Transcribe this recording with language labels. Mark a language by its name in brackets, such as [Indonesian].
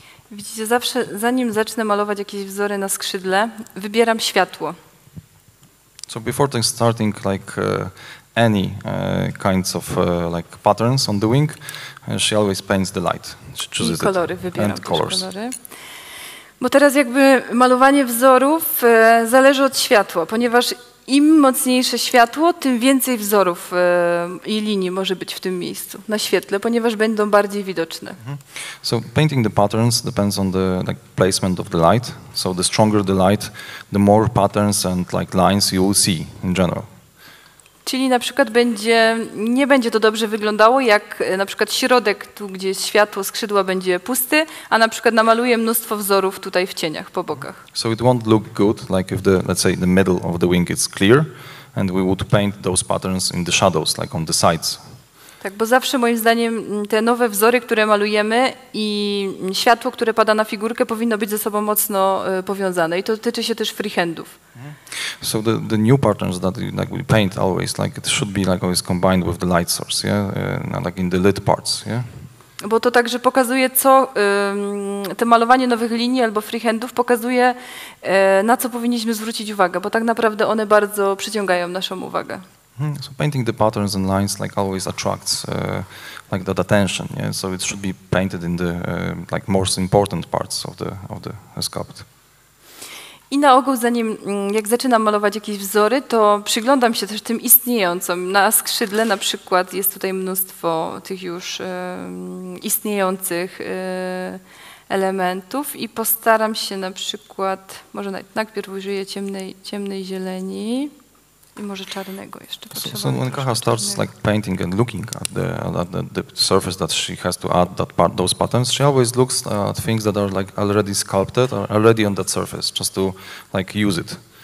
[Polish] Widzicie, zawsze zanim zacznę malować jakieś wzory na skrzydle, wybieram światło. [English] So before starting like any kinds of like patterns on the wing, she always paints the light. She chooses [Polish] kolory, [English] it. [Polish] Wybieram [English] and colors. [Polish] Kolory. Bo teraz jakby malowanie wzorów zależy od światła, ponieważ im mocniejsze światło, tym więcej wzorów i linii może być w tym miejscu na świetle, ponieważ będą bardziej widoczne. Mm-hmm. [English] So painting the patterns depends on the like, placement of the light. So the stronger the light, the more patterns and like lines you will see in general. [Polish] Czyli na przykład będzie, nie będzie to dobrze wyglądało, jak na przykład środek, tu gdzie jest światło skrzydła, będzie pusty, a na przykład namaluję mnóstwo wzorów tutaj w cieniach po bokach. [English] So it won't look good, like if the, let's say, the middle of the wing is clear, and we would paint those patterns in the shadows, like on the sides. [Polish] Tak, bo zawsze moim zdaniem te nowe wzory, które malujemy i światło, które pada na figurkę, powinno być ze sobą mocno powiązane. I to dotyczy się też freehandów. [English] So the new patterns that you, like, we paint always, like it should be like always combined with the light source, yeah, like in the lit parts, yeah. [Polish] Bo to także pokazuje, co te malowanie nowych linii albo freehandów pokazuje, na co powinniśmy zwrócić uwagę, bo tak naprawdę one bardzo przyciągają naszą uwagę. [English] So painting the patterns and lines like always attracts like that attention, yeah. So it should be painted in the like most important parts of the sculpt. [Polish] I na ogół, zanim jak zaczynam malować jakieś wzory, to przyglądam się też tym istniejącym. Na skrzydle na przykład jest tutaj mnóstwo tych już istniejących elementów i postaram się na przykład, może najpierw użyję ciemnej zieleni i może czarnego jeszcze. [English] So when Kaha starts like painting and looking at the surface that she has to add that part, those patterns, she always looks at things that are like already sculpted or already on that surface, just to like use it.